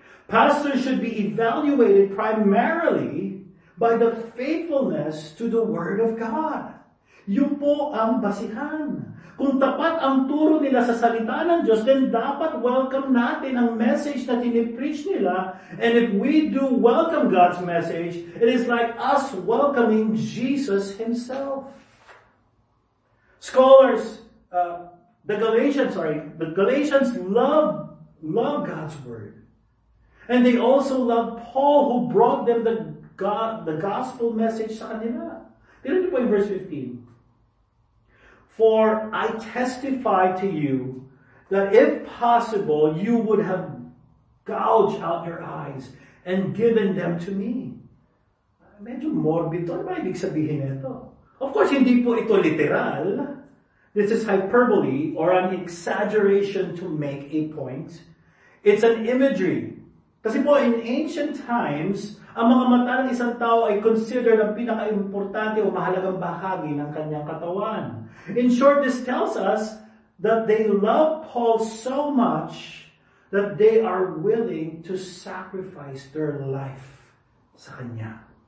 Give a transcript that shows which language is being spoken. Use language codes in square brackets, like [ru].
[en] Pastors should be evaluated primarily by the faithfulness to the Word of God. [tl] Yun po ang basihan. Kung tapat ang turo nila sa salita ng Diyos, then dapat welcome natin ang message na tinipreach nila. [en] And if we do welcome God's message, it is like us welcoming Jesus Himself. Scholars, the Galatians love God's Word. And they also love Paul who brought them the gospel message [tl] sa kanila. Tignan niyo po yung verse 15. [en] For I testify to you that if possible, you would have gouged out your eyes and given them to me. [tl] Medyo morbid to. Ano ba ibig sabihin ito? Of course, hindi po ito literal. [en] This is hyperbole or an exaggeration to make a point. It's an imagery. [tl] Kasi po, in ancient times, ang mga mata ng isang tao ay considered ang pinaka-importante o mahalagang bahagi ng kanyang katawan. [en] In short, this tells us that they love Paul so much that they are willing to sacrifice their life sa kanya.